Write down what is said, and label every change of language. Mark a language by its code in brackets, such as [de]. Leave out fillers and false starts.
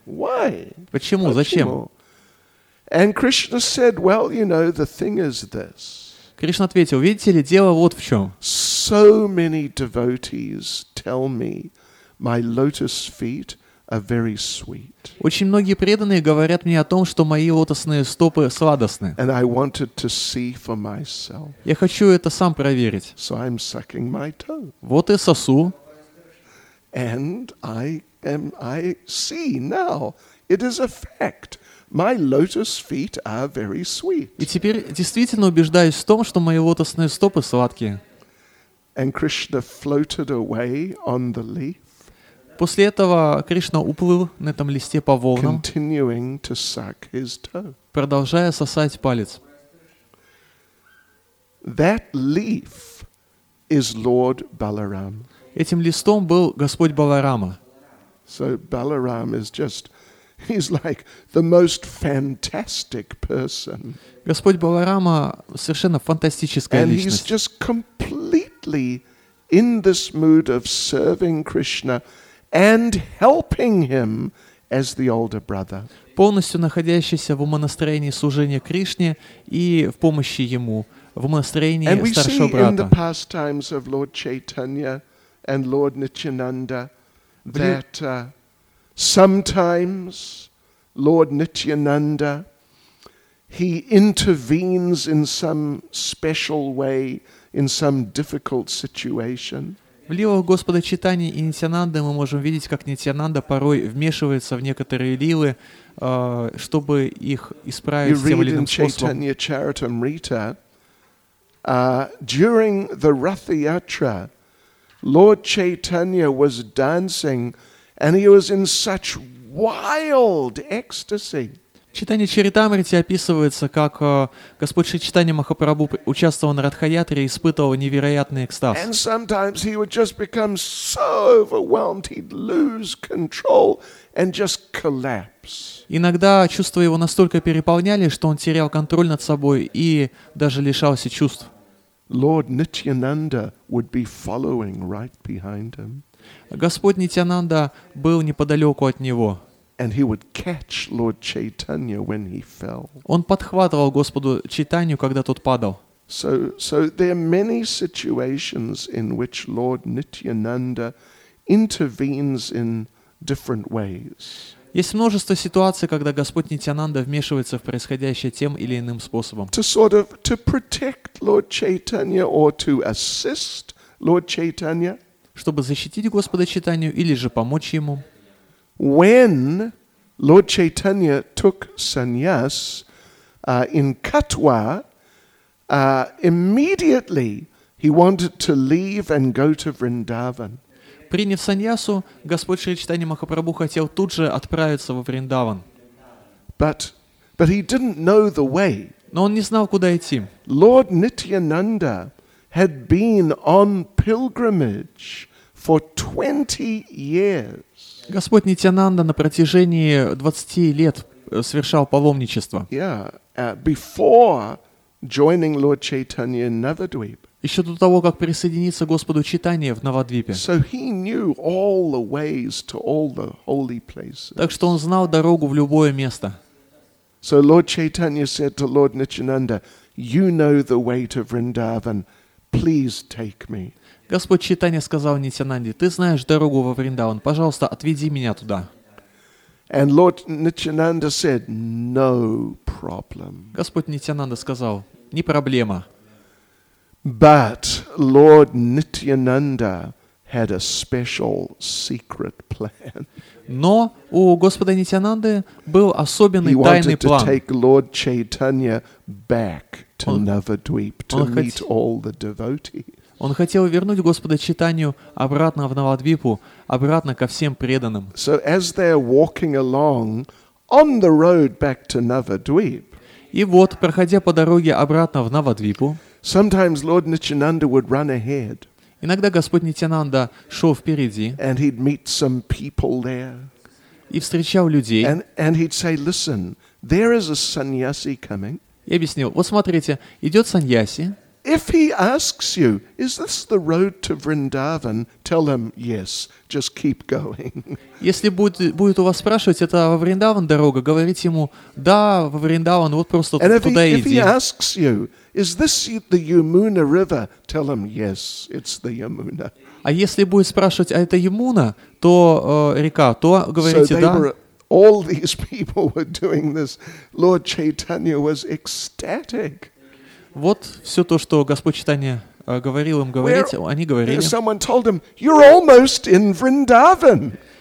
[en] Why? [ru] Почему? Зачем? [en] And Krishna said, "Well, you know, the thing is this." [ru] Кришна ответил, видите ли, дело вот в чем. [en] So many devotees tell me my lotus feet are very sweet. [ru] Очень многие преданные говорят мне о том, что мои лотосные стопы сладостны. [en] And I wanted to see for myself. [ru] Я хочу это сам проверить. [en] So I'm sucking my toe. [ru] Вот и сосу. [en] And I see now it is a fact. My lotus feet are very sweet. [ru] И теперь действительно убеждаюсь в том, что мои лотосные стопы сладкие. [en] And Krishna floated away on the leaf. [ru] После этого Кришна уплыл на этом листе по волнам, [en] continuing to suck his toe. [ru] Продолжая сосать палец. [en] That leaf is Lord Balaram. [ru] Этим листом был Господь Баларама. [en] So Balaram is just He's like the most fantastic person. [ru] Господь Баларама совершенно фантастическая личность. [en] And he's just completely in this mood of serving Krishna and helping him as the older brother. [ru] Полностью находящийся в умонастроении служения Кришне и в помощи ему, в умонастроении старшего брата. [en] And we see in the pastimes of Lord Chaitanya and Lord Nityananda that sometimes Lord Nityananda he intervenes in some special way in some difficult situation. [ru] В лилах Господа Чайтаньи и Нитьянанды мы можем видеть, как Нитьянанда порой вмешивается в некоторые лилы, чтобы их исправить тем или иным способом. [en] You read in Chaitanya Charitamrita, during the Rathayatra, Lord Chaitanya was dancing. And he was in such wild ecstasy. [ru] В Читании Чаритамрити описывается, как Господь Шри Чайтанья Махапрабху участвовал на Ратха-ятре и испытывал невероятный экстаз. [en] And sometimes he would just become so overwhelmed, he'd lose control and just collapse. [ru] Иногда чувства его настолько переполняли, что он терял контроль над собой и даже лишался чувств. [en] Lord Nityananda would be following right behind him. [ru] Господь Нитьянанда был неподалеку от него. [en] And he would catch Lord Chaitanya when he fell. [ru] Он подхватывал Господу Чайтанью, когда тот падал. [en] So there are many situations in which Lord Nityananda intervenes in different ways. [ru] Есть множество ситуаций, когда Господь Нитьянанда вмешивается в происходящее тем или иным способом. [en] To sort of to protect Lord Chaitanya or to assist Lord Chaitanya. [ru] Чтобы защитить Господа Чайтанью или же помочь ему. [en] When Lord Chaitanya took sannyas in Katwa, immediately he wanted to leave and go to Vrindavan. [ru] Приняв саньясу, Господь Шри Чайтанья Махапрабху хотел тут же отправиться во Вриндаван. [en] But he didn't know the way. [ru] Но он не знал, куда идти. [en] Lord Nityananda had been on pilgrimage. For 20 years. [ru] Господь Нитьянанда на протяжении 20 лет совершал паломничество. [en] Before joining Lord Chaitanya in Navadvip. [ru] Еще до того, как присоединиться Господу Чайтанье в Навадвипе. [en] So he knew all the ways to all the holy places. [ru] Так что он знал дорогу в любое место. [en] So Lord Chaitanya said to Lord Nityananda, "You know the way to Vrindavan. Please take me." [ru] Господь Чайтанья сказал Нитьянанде, «Ты знаешь дорогу во Вриндаван, пожалуйста, отведи меня туда». [en] And Lord Nityananda said, no problem. [ru] Господь Нитьянанда сказал, «Не проблема». [en] But Lord Nityananda had a special secret plan. [ru] Но у Господа Нитьянанды был особенный [en] He [ru] тайный [en] wanted [ru] план. [en] To take Lord Chaitanya back to Navadvip to meet all the devotees. [ru] Он хотел вернуть Господа Чайтанью обратно в Навадвипу, обратно ко всем преданным. [en] So as they're walking along on the road back to Navadvip, [ru] и вот, проходя по дороге обратно в Навадвипу, [en] sometimes Lord Nityananda would run ahead. [ru] Иногда Господь Нитьянанда шел впереди. [en] And he'd meet some people there. [ru] и встречал людей. [en] And he'd say, listen, there is a sannyasi coming. [ru] И объяснил, вот смотрите, идет саньяси. [en] If he asks you, is this the road to Vrindavan, tell him, yes, just keep going. [ru] Если будет у вас спрашивать, это во Вриндаван дорога, говорите ему, да, во Вриндаван, вот просто туда иди. [en] And if he asks you, is this the Yamuna River, tell him, yes, it's the Yamuna. [ru] А если будет спрашивать, а это Ямуна, то река, то говорите, да. [en] All these people were doing this. Lord Chaitanya was ecstatic. [ru] Вот все то, что Господь Читания говорил им говорить, [en] where, [ru] они говорили. [en] Someone told him, you're almost in Vrindavan.